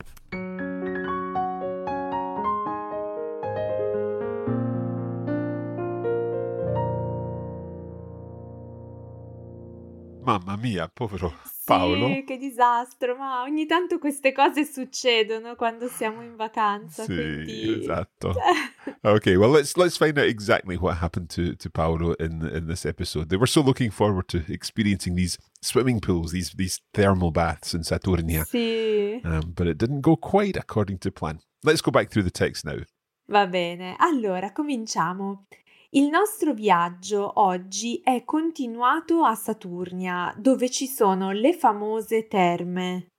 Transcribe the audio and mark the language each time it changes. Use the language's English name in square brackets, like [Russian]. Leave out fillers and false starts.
[Italian] Mamma mia, povero Paolo. Sì, che disastro, ma ogni tanto queste cose succedono quando siamo in vacanza. Sì, quindi... esatto. [English] Okay, well, let's find out exactly what happened to Paolo in this episode. They were so looking forward to experiencing these swimming pools, these thermal baths in Saturnia. [Italian] Sì. [English] But it didn't go quite according to plan. Let's go back through the text now. [Italian] Va bene, allora cominciamo. Il nostro viaggio oggi è continuato a Saturnia, dove ci sono le famose terme.